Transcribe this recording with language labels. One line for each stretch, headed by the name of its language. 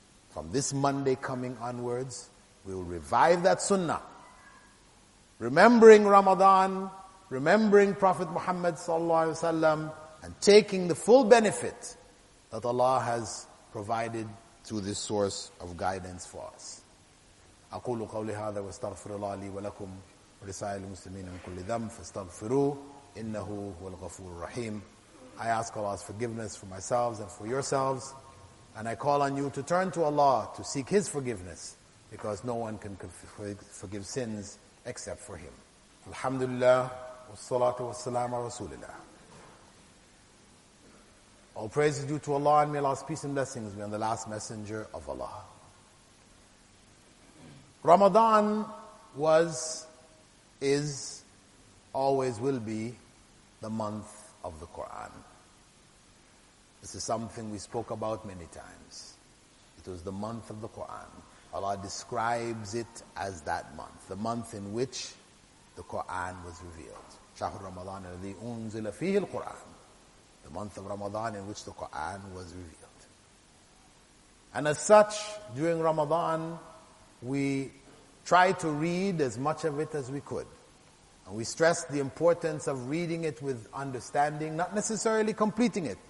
English: From this Monday coming onwards, we will revive that sunnah. Remembering Ramadan, remembering Prophet Muhammad sallallahu alaihi wasallam, and taking the full benefit that Allah has provided through this source of guidance for us.
Arabic: أقول قولي هذا واستغفر الله لي ولكم ولسائر المسلمين من كل ذنب فاستغفروه إنه هو الغفور الرحيم.
English: I ask Allah's forgiveness for myself and for yourselves, and I call on you to turn to Allah to seek His forgiveness, because no one can forgive sins except for Him.
Arabic: Alhamdulillah, wassalatu wassalamu ala Rasulillah.
English: All praise is due to Allah, and may Allah's peace and blessings be on the last messenger of Allah. Ramadan was, is, always will be the month of the Quran. This is something we spoke about many times. It was the month of the Quran. Allah describes it as that month, the month in which the Quran was revealed.
Arabic: شهر رمضان الذي أنزل فيه القرآن.
English: The month of Ramadan in which the Quran was revealed. And as such, during Ramadan, we try to read as much of it as we could. And we stress the importance of reading it with understanding, not necessarily completing it.